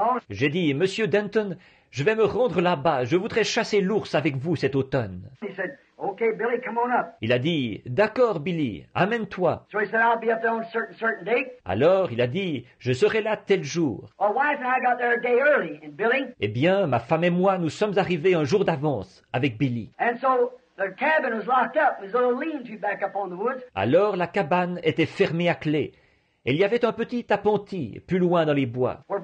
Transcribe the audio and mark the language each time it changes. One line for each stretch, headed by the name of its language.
French: J'ai dit, Monsieur Denton, je vais me rendre là-bas. Je voudrais chasser l'ours avec vous cet automne.
English: Okay, Billy, come on up.
French: Il a dit, d'accord, Billy, amène-toi.
English: So he said, I'll be up there on certain date.
French: Alors, il a dit, je serai là tel jour.
English: Our wife and I got there a day early, and Billy.
French: Eh bien, ma femme et moi, nous sommes arrivés un jour d'avance avec Billy.
English: And so the cabin was locked up. It was a little lean-to back up on the woods.
French: Alors, la cabane était fermée à clé. Et il y avait un petit appentis plus loin dans les bois.